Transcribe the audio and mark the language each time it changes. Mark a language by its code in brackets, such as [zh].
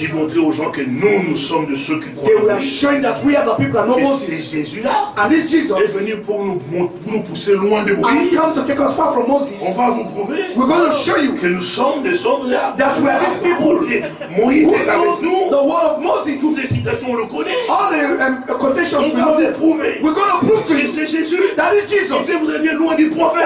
[fr] ils ont montré aux gens que nous, nous sommes de ceux qui croient. [en] They were showing that we are the people that know Moses. [fr] Et Jésus-là, [en] and this Jesus, [fr] est venu pour nous pousser loin de Moïse. [en] And he comes to take us far from Moses. [fr] On va vous prouver. [en] We're going to show you [fr] que nous sommes des hommes-là. [en] That we are these people. [fr] Moïse est avec nous. [en] The word of Moses. [fr] Toutes les citations, on le connaît. [en] All the quotations, we know them. [fr] Prouver. [en] We're going to prove to you [fr] que c'est Jésus. [en] That is Jesus. [fr] Vous êtes loin du prophète.